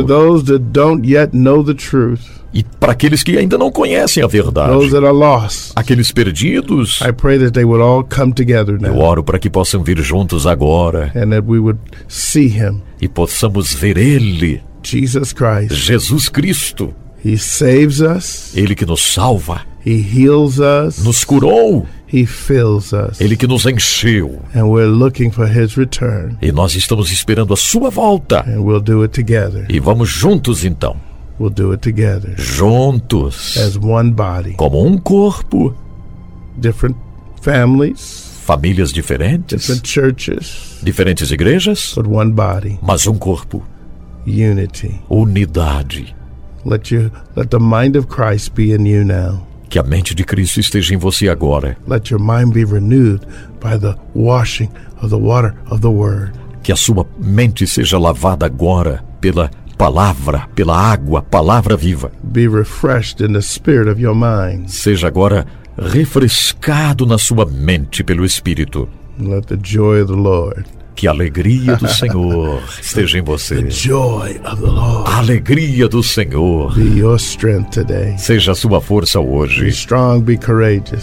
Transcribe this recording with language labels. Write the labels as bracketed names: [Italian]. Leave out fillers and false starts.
[English] To those that don't yet know the truth. [Portuguese] E para aqueles que ainda não conhecem a verdade. [English] Those that are lost. [Portuguese] Aqueles perdidos. [English] I pray that they would all come together now. [Portuguese] Eu oro para que possam vir juntos agora. [English] And that we would see him. [Portuguese] E possamos ver ele. [English] Jesus Christ. [Portuguese] Jesus Cristo. [English] He saves us. [Portuguese] Ele que nos salva. [English] He heals us. [Portuguese] Nos curou. [English] He fills us. [Portuguese] Ele que nos encheu. [English] And we're looking for his return. [Portuguese] E nós estamos esperando a sua volta. [English] And we'll do it together. [Portuguese] E vamos juntos então. [English] We'll do it together. [Portuguese] Juntos. [English] As one body. [Portuguese] Como corpo. [English] Different families. [Portuguese] Famílias diferentes. [English] Different churches. [Portuguese] Diferentes igrejas. [English] But one body. [Portuguese] Mas corpo. [English] Unity. [Portuguese] Unidade. [English] Let the mind of Christ be in you now. [Portuguese] Que a mente de Cristo esteja em você agora. [English] Let your mind be renewed by the washing of the water of the word. [Portuguese] Que a sua mente seja lavada agora pela palavra, pela água, palavra viva. [English] Be refreshed in the spirit of your mind. [Portuguese] Seja agora refrescado na sua mente pelo Espírito. [English] Let the joy of the Lord. [Portuguese] Que a alegria do Senhor esteja em você. [English] The joy of the Lord. [Portuguese] A alegria do Senhor. [English] Be your strength today. [Portuguese] Seja a sua força hoje. [English] Be strong, be courageous.